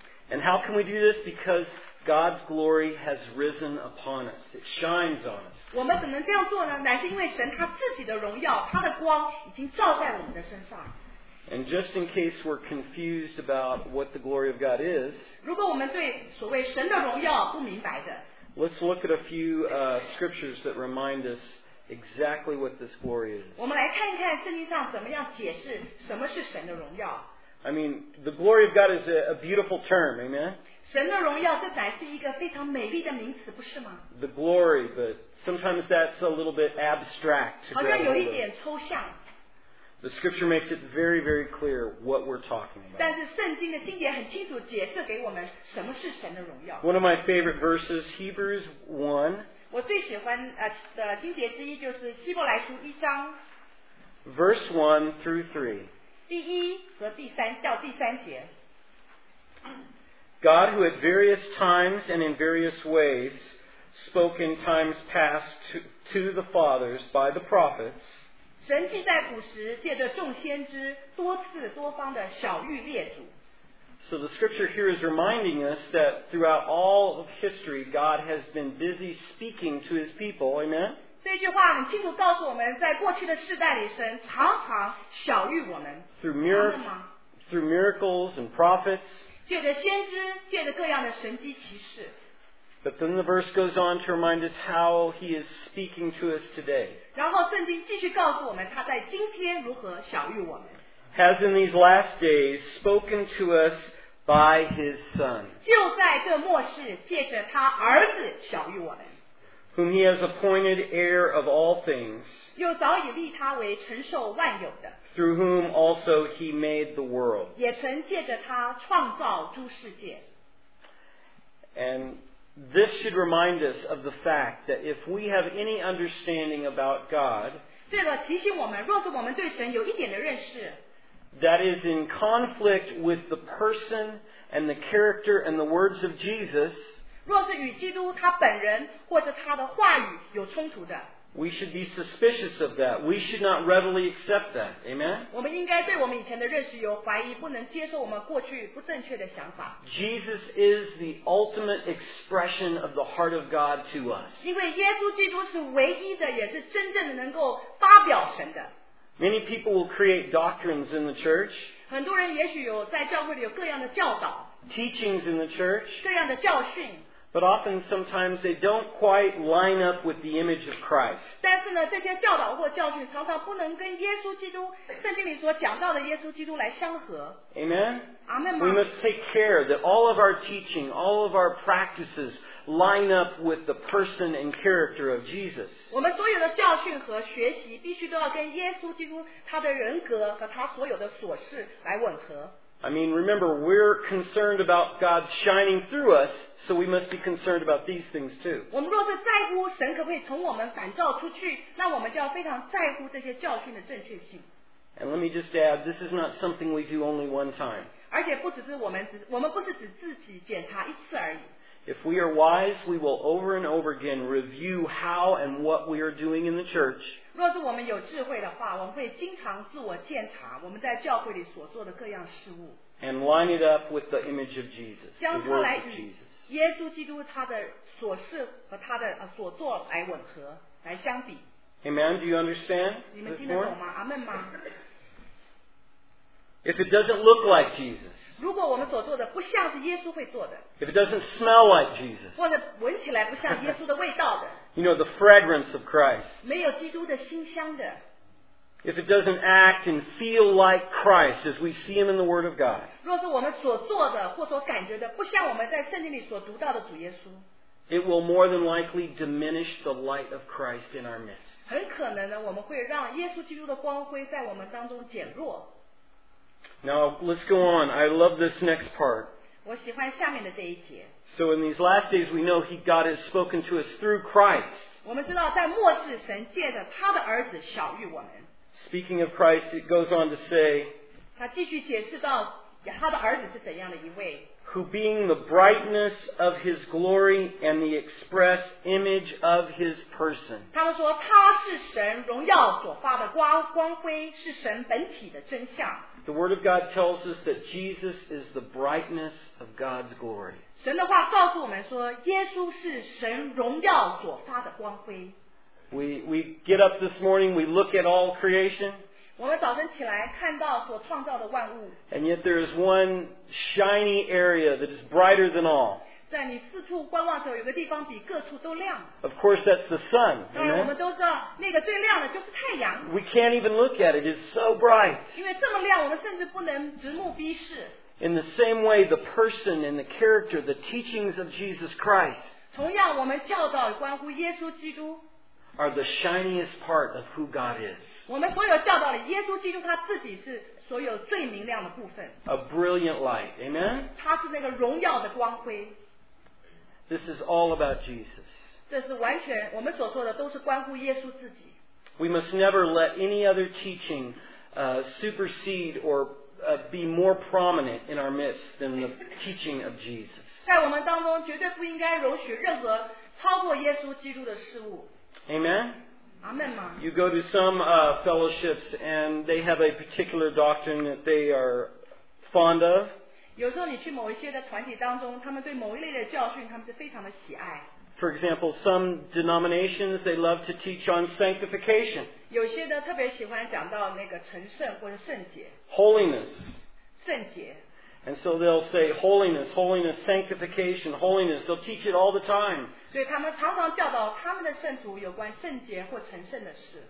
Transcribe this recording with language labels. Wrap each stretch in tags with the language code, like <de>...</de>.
<en>And how can we do this? Because God's glory has risen upon us. It shines on us.</en> <zh>我们怎么这样做呢?乃是因为神他自己的荣耀,他的光已经照在我们的身上。</zh> <en>And just in case we're confused about what the glory of God is,</en> <zh>如果我们对所谓神的荣耀不明白的,</zh> <en>let's look at a few scriptures that remind us exactly what this glory is.</en> <zh>我们来看一看圣经上怎么样解释什么是神的荣耀。</zh> <en>I mean, the glory of God is a beautiful term, amen?</en> <zh>神的荣耀这乃是一个非常美丽的名词，不是吗？</zh> <en>The glory, but sometimes that's a little bit abstract.</en> <zh>好像有一点抽象。</zh> <en>The scripture makes it very, very clear what we're talking about.</en> <zh>但是圣经的经典很清楚解释给我们什么是神的荣耀。</zh> <en>One of my favorite verses, Hebrews 1.</en> <zh>我最喜欢的经节之一就是希伯来书一章。</zh> <en>Verse 1 through 3.</en> <zh>第一和第三到第三节</zh> <en>God who at various times and in various ways spoke in times past to the fathers by the prophets</en> <zh>神既在古时借着众先知多次多方的晓谕列祖</zh> <en>So the scripture here is reminding us that throughout all of history God has been busy speaking to his people, amen?</en> <zh>这句话很清楚告诉我们在过去的世代里神常常晓谕我们</zh> <en>through miracles and prophets</en> <zh>借着先知借着各样的神迹奇事</zh> <en>but then the verse goes on to remind us how he is speaking to us today</en> <zh>然后圣经继续告诉我们他在今天如何晓谕我们</zh> <en>has in these last days spoken to us by his son</en> <zh>就在这末世借着他儿子晓谕我们</zh> <en>whom he has appointed heir of all things,</en> <zh>又早已立他为承受万有的</zh> <en>through whom also he made the world.</en> <zh>也曾借着他创造诸世界。</zh> <en>And this should remind us of the fact that if we have any understanding about God,</en> <zh>这个提醒我们若是我们对神有一点的认识</zh> <en>that is in conflict with the person and the character and the words of Jesus,</en> <zh>若是与基督他本人或者他的话语有冲突的</zh> <en>We should be suspicious of that. We should not readily accept that. Amen?</en> <zh>我们应该对我们以前的认识有怀疑不能接受我们过去不正确的想法</zh> <en>Jesus is the ultimate expression of the heart of God to us.</en> <zh>因为耶稣基督是唯一的也是真正的能够发表神的</zh> <en>Many people will create doctrines in the church.</en> <zh>很多人也许有在教会里有各样的教导</zh> <en>teachings in the church</en> <zh>各样的教训</zh> <en>but often sometimes they don't quite line up with the image of Christ</en> <zh>但是呢这些教导或教训常常不能跟耶稣基督圣经里所讲到的耶稣基督来相合</zh> <en>Amen? Amen We must take care that all of our teaching all of our practices line up with the person and character of Jesus</en> <zh>我们所有的教训和学习必须都要跟耶稣基督他的人格和他所有的琐事来吻合</zh> <en>I mean, remember, we're concerned about God shining through us, so we must be concerned about these things too.</en> <zh>我们若是在乎神可不可以从我们反照出去，那我们就要非常在乎这些教训的正确性。</zh> <en>And let me just add, this is not something we do only one time.</en> <zh>而且不只是我们不是只自己检查一次而已。</zh> <en>If we are wise, we will over and over again review how and what we are doing in the church.</en> <zh>若是我们有智慧的话，我们会经常自我检查我们在教会里所做的各样事物。</zh> <en>And line it up with the image of Jesus.</en> <zh>将它来与耶稣基督他的所事和他的所做来吻合，来相比。</zh> <en>Amen. Do you understand?</en> <zh>你们听得懂吗？阿门吗？</zh> <en>If it doesn't look like Jesus.</en> <zh>如果我们所做的不像是耶稣会做的</zh> <en>If it doesn't smell like Jesus</en> <zh>或者闻起来不像耶稣的味道的</zh> <en>You know the fragrance of Christ</en> <zh>没有基督的馨香的</zh> <en>If it doesn't act and feel like Christ as we see him in the word of God</en> <zh>若是我们所做的或所感觉的不像我们在圣经里所读到的主耶稣</zh> <en>It will more than likely diminish the light of Christ in our midst</en> <zh>很可能呢我们会让耶稣基督的光辉在我们当中减弱</zh> <en>Now, let's go on. I love this next part.</en> <zh>我喜欢下面的这一节。</zh> <en>So in these last days, we know God has spoken to us through Christ.</en> <zh>我们知道在末世神借着他的儿子晓谕我们。</zh> <en>Speaking of Christ, it goes on to say,</en> <zh>他继续解释到他的儿子是怎样的一位。</zh> <en>Who being the brightness of his glory and the express image of his person.</en> <zh>他们说他是神荣耀所发的光辉是神本体的真相。</zh> <en>The word of God tells us that Jesus is the brightness of God's glory.</en> <zh>神的话告诉我们说耶稣是神荣耀所发的光辉。</zh> <en>We get up this morning, we look at all creation.</en> <zh>我们早晨起来看到所创造的万物。</zh> <en>And yet there is one shiny area that is brighter than all.</en> <zh>在你四处观望的时候，有个地方比各处都亮。</zh> <en>Of course, that's the sun.</en> <zh>当然，我们都知道那个最亮的就是太阳。</zh> <en>We can't even look at it; it's so bright.</en> <zh>因为这么亮，我们甚至不能直目逼视。</zh> <en>In the same way, the person and the character, the teachings of Jesus Christ.</en> <zh>同样，我们教导关乎耶稣基督。</zh> <en>Are the shiniest part of who God is.</en> <zh>我们所有教导里，耶稣基督他自己是所有最明亮的部分。</zh> <en>A brilliant light, amen.</en> <zh>他是那个荣耀的光辉。</zh> <en>This is all about Jesus.</en> <zh>这是完全我们所说的都是关乎耶稣自己。</zh> <en>We must never let any other teaching supersede or be more prominent in our midst than the teaching of Jesus.</en> <zh>在我们当中绝对不应该容许任何超过耶稣基督的事物。</zh> <en>Amen? Amen. You go to some fellowships and they have a particular doctrine that they are fond of.</en> <zh>有时候你去某一些的团体当中，他们对某一类的教训，他们是非常的喜爱。</zh> <en>For example, some denominations, they love to teach on sanctification.</en> <zh>有些的特别喜欢讲到那个成圣或者圣洁。</zh> <en>Holiness.</en> <zh>圣洁。</zh> <en>And so they'll say holiness, holiness, sanctification, holiness. They'll teach it all the time.</en> <zh>所以他们常常教导他们的圣徒有关圣洁或成圣的事。</zh>